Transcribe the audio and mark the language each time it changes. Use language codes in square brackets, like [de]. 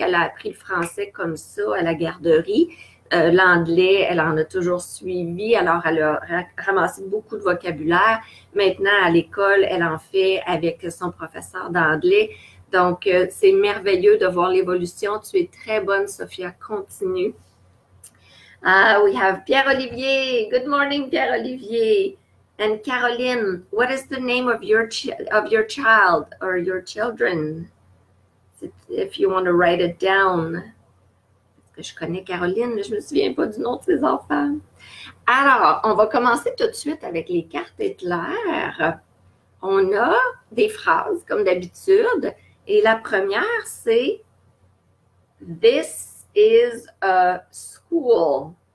[fr] Elle a appris le français comme ça à la garderie. L'anglais, elle en a toujours suivi, alors elle a ramassé beaucoup de vocabulaire. Maintenant, à l'école, elle en fait avec son professeur d'anglais. Donc, c'est merveilleux de voir l'évolution. Tu es très bonne, Sophia. Continue. [en] Ah, we have Pierre-Olivier. Good morning, Pierre-Olivier. And Caroline, what is the name of your child or your children? If you want to write it down. [fr] Je connais Caroline, mais je me souviens pas du nom de ses enfants. Alors, on va commencer tout de suite avec les cartes éclairs. On a des phrases, comme d'habitude, et la première, c'est [en] This is a school.